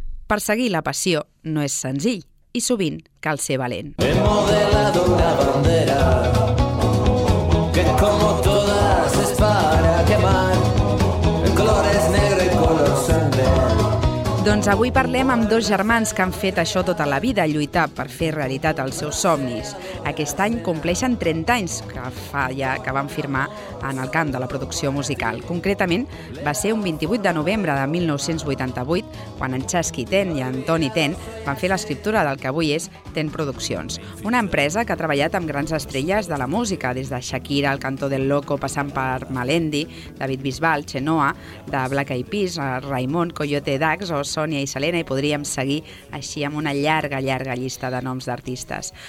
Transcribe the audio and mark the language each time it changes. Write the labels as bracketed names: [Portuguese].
[Catalan] Perseguir la passió no és senzill i sovint cal ser valent. [Spanish] He modelado una bandera que como todas es para quemar en colores negro y color sangre. [Catalan] Doncs avui parlem amb dos germans que han fet això tota la vida, lluitar per fer realitat els seus somnis. Aquest any compleixen 30 anys que fa ja que van firmar en el camp de la producció musical. Concretament, va ser un 28 de novembre de 1988, quan en Chasqui Ten i en Toni Ten van fer l'escriptura del que avui és Ten Produccions, una empresa que ha treballat amb grans estrelles de la música, des de Shakira, el Cantó del Loco, passant per Melendi, David Bisbal, Chenoa, de Black Eyed Peas, Raimon, Coyote Dax o Sònia i Selena, i podríem seguir així amb una llarga, llarga llista de noms d'artistes.